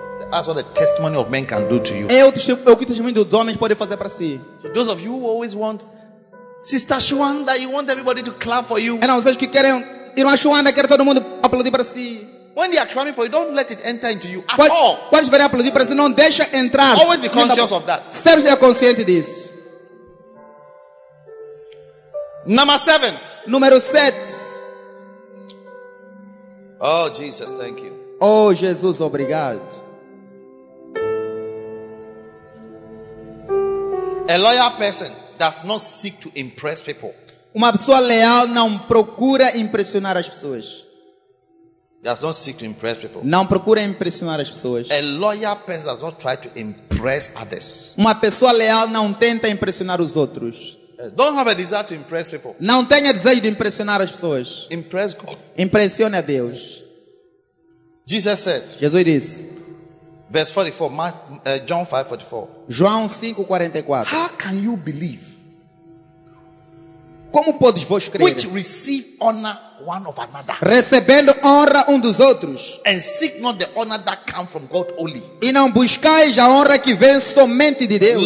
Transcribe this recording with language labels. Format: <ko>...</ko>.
<en>That's what the testimony of men can do to you.</en> <pt>É o testemunho dos homens pode fazer para si.</pt> <en>So those of you who always want Sister Shuanda, you want everybody to clap for you.</en> <pt>É não, vocês que querem irmã Shuanda, quer todo mundo aplaudir para si.</pt> <en>When they are clapping for you, don't let it enter into you at all.</en> <pt>Quando estiver aplaudir para si, não deixa entrar.</pt> <en>Always be conscious of that.</en> <pt>Seja consciente disso.</pt> <en>Number 7.</en> <pt>Número 7.</pt> <en>Oh Jesus, thank you.</en> <pt>Oh Jesus, obrigado.</pt> <en>A loyal person does not seek to impress people.</en> <pt>Uma pessoa leal não procura impressionar as pessoas.</pt> <en>Does not seek to impress people.</en> <pt>Não procura impressionar as pessoas.</pt> <en>A loyal person does not try to impress others.</en> <pt>Uma pessoa leal não tenta impressionar os outros.</pt> <en>Don't have a desire to impress people.</en> <pt>Não tenha desejo de impressionar as pessoas.</pt> <en>Impress God.</en> <pt>Impressione a Deus.</pt> <en>Jesus said.</en> <pt>Jesus disse.</pt> <en>Verse 44, John 5:44.</en> <pt>João 5:44.</pt> <en>How can you believe?</en> <pt>Como podes vos crer?</pt> <en>Which receive honor one of another.</en> <pt>Recebendo honra dos outros.</pt> <en>And seek not the honor that comes from God only.</en> <pt>E não buscais a honra que vem somente de Deus.</pt>